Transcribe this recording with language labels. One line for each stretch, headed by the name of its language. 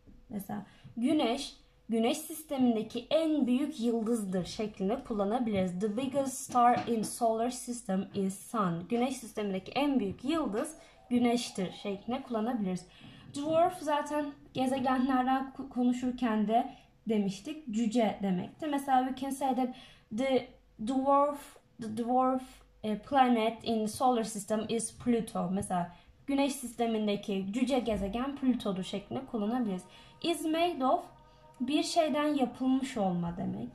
Turkish: Mesela güneş sistemindeki en büyük yıldızdır şeklinde kullanabiliriz.
English: The biggest star in solar system is sun.
Turkish: Güneş sistemindeki en büyük yıldız güneştir şeklinde kullanabiliriz. Dwarf zaten gezegenlerden konuşurken de demiştik. Cüce demekti.
English: Mesela we can say that the dwarf planet in solar system is Pluto.
Turkish: Mesela Güneş sistemindeki cüce gezegen Plüto'dur şeklinde kullanabiliriz.
English: Is made of
Turkish: bir şeyden yapılmış olma demek.